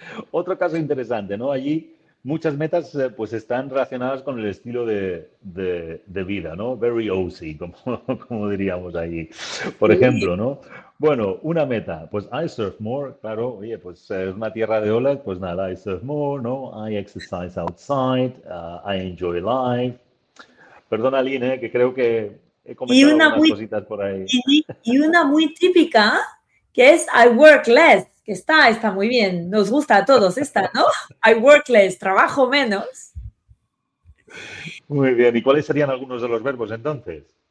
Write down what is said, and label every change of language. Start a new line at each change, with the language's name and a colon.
Spanish: Otro caso interesante, ¿no? Allí muchas metas pues están relacionadas con el estilo de vida, ¿no?
English: Very Aussie,
Spanish: como diríamos allí. Por ejemplo, ¿no? Bueno, una meta, pues
English: I surf more,
Spanish: claro, oye, pues es una tierra de olas, pues nada, I surf more, ¿no?
English: I exercise outside, I enjoy life.
Spanish: Perdona, Aline, ¿eh? Que creo que he comentado algunas cositas por ahí. Y una muy típica, que es
English: I work less,
Spanish: que está muy bien, nos gusta a todos esta, ¿no?
English: I work less,
Spanish: trabajo menos. Muy bien, ¿y cuáles serían algunos de los verbos entonces?